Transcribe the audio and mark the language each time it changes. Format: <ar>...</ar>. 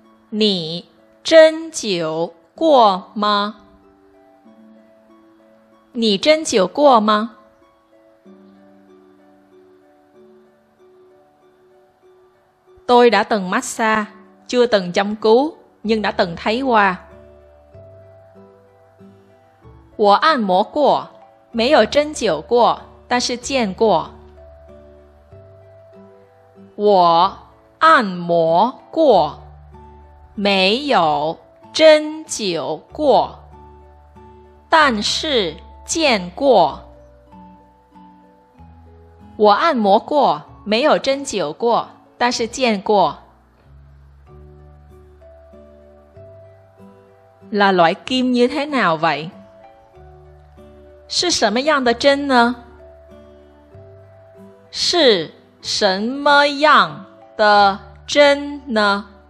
<zh>你针灸过吗？你针灸过吗？</zh> <vi>Tôi đã từng massage, chưa từng châm cứu, nhưng đã từng thấy qua.</vi> <zh>我按摩过，没有针灸过，但是见过。我按摩过，没有针灸过，但是见过，我按摩过，没有针灸过，但是见过。</zh> <vi>Là loại kim như thế nào vậy?</vi> <zh>是什么样的针呢？是什么样的针呢？</zh>